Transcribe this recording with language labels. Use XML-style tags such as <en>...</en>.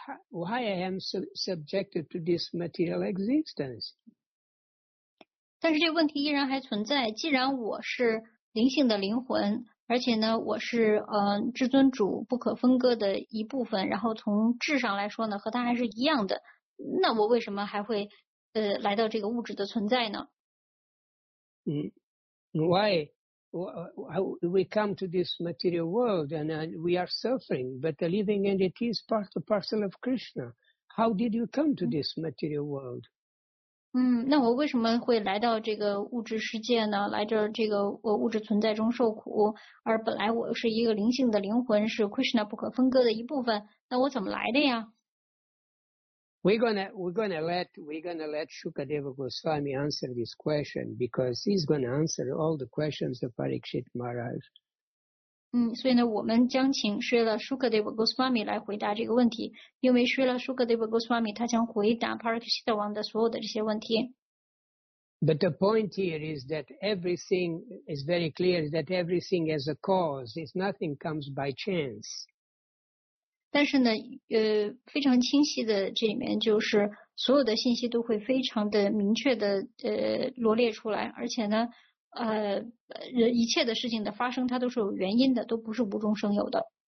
<en>Why I am subjected to this material existence?</en> <zh>但是这个问题依然还存在。既然我是灵性的灵魂。而且呢，我是至尊主不可分割的一部分。然后从质上来说呢，和他还是一样的。那我为什么还会来到这个物质的存在呢？</zh> <en>Why we come to this material world and we are suffering, but the living entity is part and parcel of Krishna. How did you come to this material world?</en> <zh>那我为什么会来到这个物质世界呢？来着这个物质存在中受苦，而本来我是一个灵性的灵魂，是 Krishna 不可分割的一部分。那我怎么来的呀</zh> <en>？We're gonna let Shukadeva Goswami answer this question because he's gonna answer all the questions of Parikshit Maharaj.</en> <zh>所以呢，我们将请 Srila Shukadeva Goswami 来回答这个问题，因为 Srila Shukadeva Goswami 他将回答 Parikshit 王的所有的这些问题。</zh> <en>But the point here is that everything is very clear that everything has a cause. It's nothing comes by chance.</en> <zh>但是呢，非常清晰的，这里面就是所有的信息都会非常的明确的罗列出来，而且呢。一切的事情的发生它都是有原因的，都不是无中生有的。</zh>